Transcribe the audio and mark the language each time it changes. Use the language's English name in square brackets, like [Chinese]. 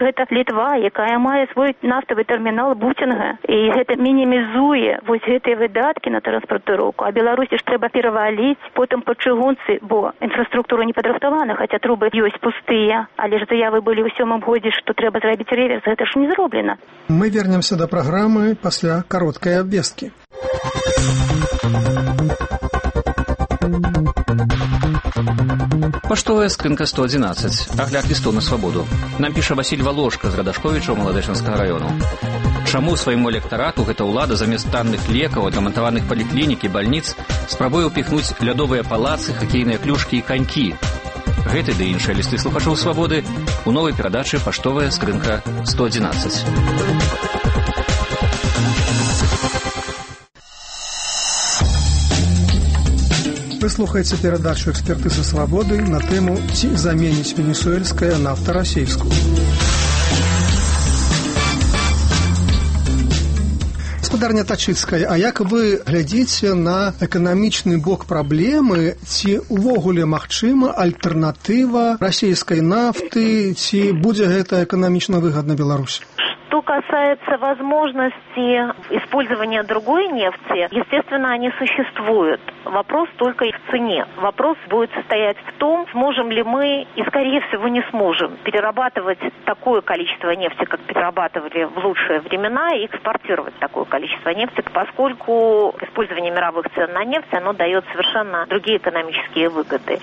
[Belarusian] Гэта Літва, якая мае свой нафтавы тэрмінал Буцінга, і гэта мінімізуе вось гэтыя выдаткі на транспартыроўку. А Беларусі ж трэба пераваліць потым па чыгунцы, бо інфраструктура не падрыхтавана, хаця трубы ёсць пустыя, але ж заявы былі ў сёмым годзе, што трэба зрабіць реверс, гэта ж не зроблена. [Russian] Мы вернемся до программы после короткой обвестки. [Belarusian] Паштовая скрынка 111. Агляд лісту на свабоду. Нам піша Васіль Валошка з Радашковіча Маладэшанскага району. Чаму свайму электарату гэта ўлада замест танных лекаў, адрамантаваных паліклінік і бальніц спрабуе ўпіхнуць лядовыя палацы, хакейныя клюшкі і канькі? Гэты ды іншыя лісты слухачоў свабоды у новай перадачы «Паштовая скрынка 111». Вы слухаеце перадачу «Экспертызы свабоды» на тэму «Ці заменіць венесуэльская нафта расійскую». Спадарня Тачыцкая, а як вы глядзіце на эканамічны бок праблемы, ці ўвогуле магчыма альтэрнатыва расійскай нафты, ці будзе гэта эканамічна выгадна Беларусі? [Russian] Что касается возможности использования другой нефти, естественно, они существуют. Вопрос только их цене. Вопрос будет состоять в том, сможем ли мы, и скорее всего не сможем, перерабатывать такое количество нефти, как перерабатывали в лучшие времена, и экспортировать такое количество нефти, поскольку использование мировых цен на нефть, оно дает совершенно другие экономические выгоды.